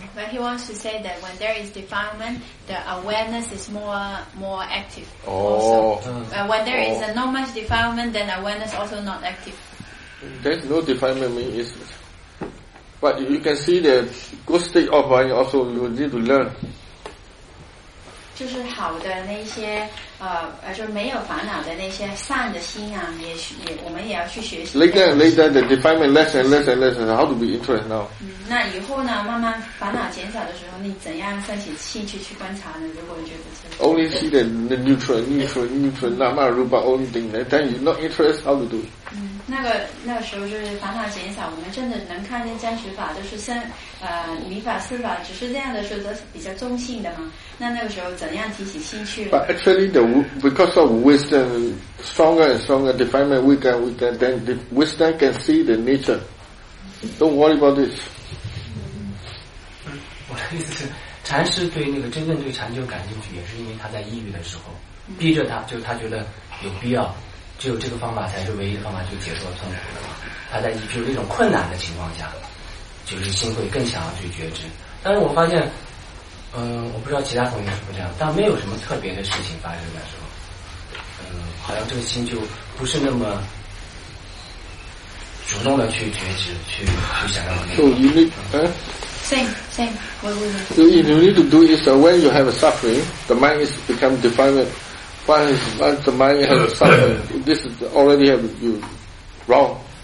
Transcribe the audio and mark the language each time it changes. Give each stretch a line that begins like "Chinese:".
English: But he wants to say that when there is defilement, the awareness is more active. Oh. When there is not much defilement, then awareness also not active. There's no defilement, means it's. But you can see the good state of mind also you need to learn.
Chinese: 就是好的那些就没有烦恼的那些善的心啊，也我们也要去学习。
English: Later, the defilement less and less and less. How to be interested now?、
Chinese: 嗯、那以后呢，慢慢烦恼减少的时候，你怎样升起兴趣去观察呢？如果你觉得是
English: only see the neutral, neutral, neutral, not my rupa only thing. Then you not interested, how to do?、
Chinese: 嗯、那个时候就是烦恼减少，我们真的能看见真实法，都是生明法四法，只是这样的时候都是比较中性的嘛。那个时候怎样提起兴趣呢？
English: But actually, because of wisdom, stronger and stronger, defilement weaker and weaker, then the wisdom can see the nature. Don't worry about this.
Chinese: 我的意思是，禅师对那个真正对禅就感兴趣，也是因为他在抑郁的时候，逼着他，就是他觉得有必要，只有这个方法才是唯一的方法，就解脱痛苦的嘛。他在比如这种困难的情况下，就是心会更想要去觉知。但是我发现。我不知道其他同学是不是这样，但没有什么特别的事情发生的时候，好像这个心就不是那么主动的去觉知，去想要那个。
English: So you need, same. You need to do is when you have a suffering, the mind is become defilement. Once the mind has a suffering, this is already have you wrong.